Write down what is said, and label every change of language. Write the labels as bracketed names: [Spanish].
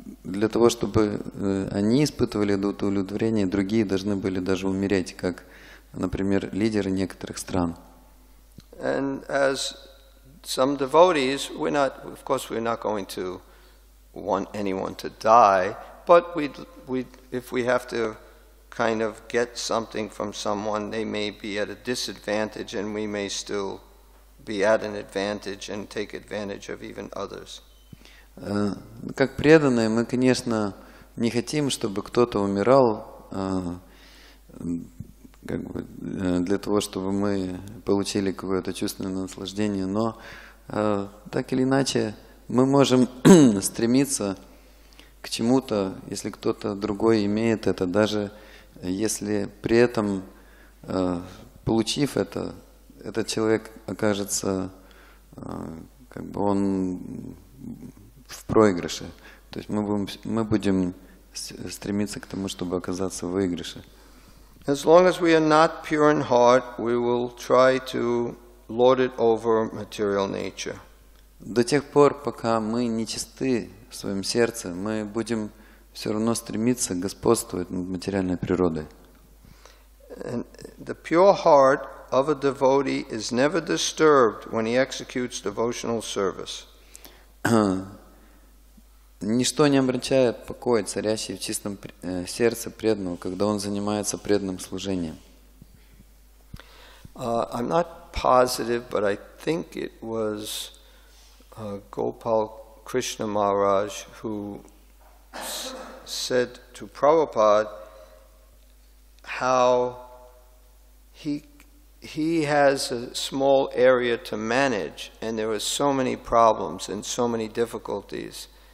[Russian] Для того, чтобы они испытывали это удовлетворение, другие должны были даже умереть, как, например, лидеры некоторых стран. [English] And as some devotees, we're not, of course, we're not going to want anyone to die, but if we have to kind of get something from someone, they may be at a disadvantage, and we may still be at an advantage and take advantage of even others. [Russian] Как преданные, мы, конечно, не хотим, чтобы кто-то умирал, как бы, для того, чтобы мы получили какое-то чувственное наслаждение, но так или иначе, мы можем стремиться к чему-то, если кто-то другой имеет это, даже если при этом, получив это, этот человек окажется, как бы он в проигрыше. То есть мы будем стремиться к тому, чтобы оказаться в выигрыше. [English] As long as we are not pure in heart, we will try to lord it over material nature. [Russian] До тех пор, пока мы нечисты в своем сердце, мы будем все равно стремиться господствовать над материальной природой. [English] And the pure heart of a devotee is never disturbed when he executes devotional service. [Russian] Ничто не омрачает покоя царящего в чистом сердце преданного, когда он занимается преданным служением. [English] I'm not positive, but I think it was Gopal Krishna Maharaj who said to Prabhupada how he has a small area to manage, and there are so many problems and so many difficulties.